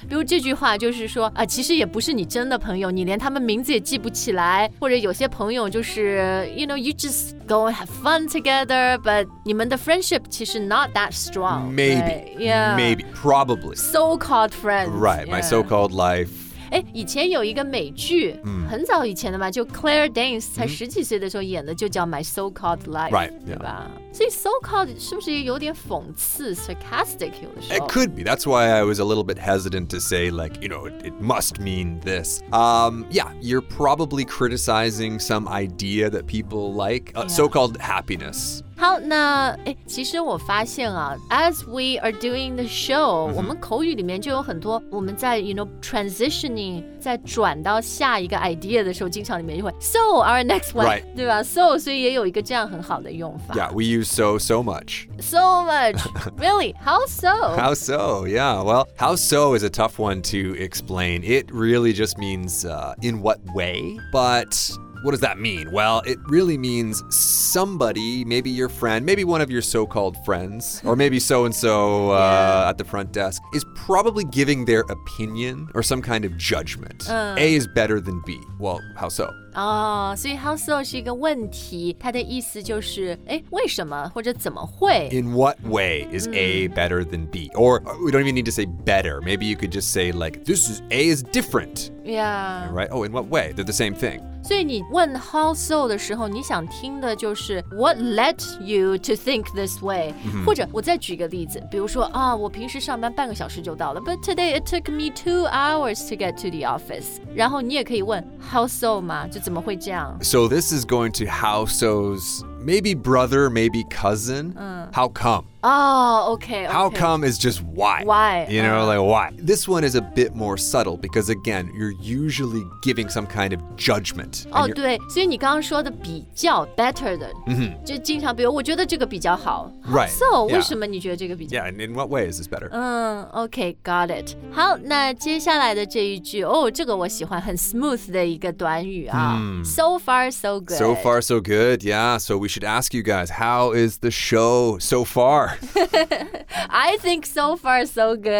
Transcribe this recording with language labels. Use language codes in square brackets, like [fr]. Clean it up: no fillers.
[zh] 比如这句话就是说,其实也不是你真的朋友,你连他们名字也记不起来。或者有些朋友就是 [en] you know, you just go and have fun together, but [zh] 你们的 [en] friendship,actually not that strong. Maybe. Right? Yeah. Maybe. Probably. So-called friends. Right. Yeah. My so-called life. [zh] 以前有一个美剧很早以前的嘛就 Claire Danes 才十几岁的时候演的就叫 My So-Called Life [en] right, [zh] 对吧、yeah. 所以 So-Called 是不是有点讽刺 sarcastic 有的时候 [en] It could be That's why I was a little bit hesitant to say like you know it must mean this Yeah You're probably criticizing some idea that people like、yeah. So-Called happiness [zh] 好那其实我发现啊 [en] As we are doing the show、 [zh] mm-hmm. 我们口语里面就有很多我们在 you know transition你在转到下一个 idea 的时候经常里面就会 [en] So our next one、 right. [zh] 对吧 So 所以也有一个这样很好的用法 [en] Yeah we use so so much So much Really How so How so Yeah well How so is a tough one to explain It really just means、In what way But What does that mean Well it really means Somebody Maybe your friend Maybe one of your so-called friends Or maybe so and so At the front desk Is probably giving their opinion Or some kind of judgment A is better than B Well how so [zh] 所以 how so 是一个问题它的意思就是为什么或者怎么会 [en] In what way is A better than B Or we don't even need to say better Maybe you could just say like This is A is different Yeah Right Oh in what way They're the same thing [zh] 所以你问 how so 的时候你想听的就是 [en] what led you to think this way、 [zh] mm-hmm. 或者我再举个例子比如说我平时上班半个小时就到了 [en] but today it took me 2 hours to get to the office [zh] 然后你也可以问 how so 吗就怎么会这样 [en] So this is going to how so's maybe brother maybe cousin、how come Okay. How come is just why? Why? You know, like why? This one is a bit more subtle because again, you're usually giving some kind of judgment. [zh] 对，所以你刚刚说的比较 better 的， 就经常比如我觉得这个比较好。 [en] Right. [zh] So, 为什么你觉得这个比较？ [en] Yeah. And in what way is this better? Okay. Got it. [zh] 好，那接下来的这一句，这个我喜欢，很 smooth 的一个短语啊。 [en] So far, so good. So far, so good. Yeah. So we should ask you guys, how is the show so far? I think so far so good.